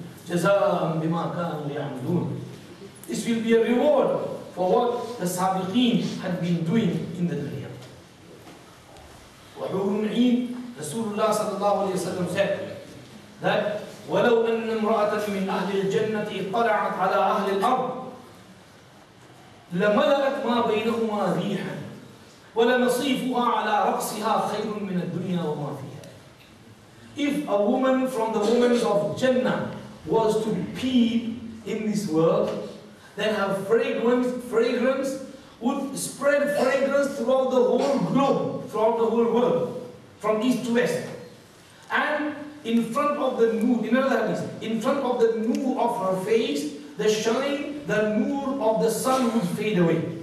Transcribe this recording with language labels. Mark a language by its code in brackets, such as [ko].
[en] Jazaan bima kaanu ya'malun. This will be a reward for what the sabiqeen had been doing in the dunya. [ar] Wahurun a'in, [en] Rasulullah sallallahu alayhi wa sallam said that, [ar] وَلَوْ أَنَّ امْرَأَةً مِنْ أَهْلِ الْجَنَّةِ اطَّلَعَتْ عَلَىٰ أَهْلِ الْأَرْضِ لَمَلَأَتْ مَا بَيْنَهُمَا رِيحًا وَلَنَصِيفُهَا عَلَىٰ رَقْصِهَا خَيْرٌ مِنَ الدُّنْيَا وَمَا فِيهَا. [en] If a woman from the women of Jannah was to peep in this world, then her fragrance would spread fragrance throughout the whole globe, throughout the whole world, from east to west. And in front of the nur, in other words, in front of the nur of her face, the shine, the nur of the sun would fade away.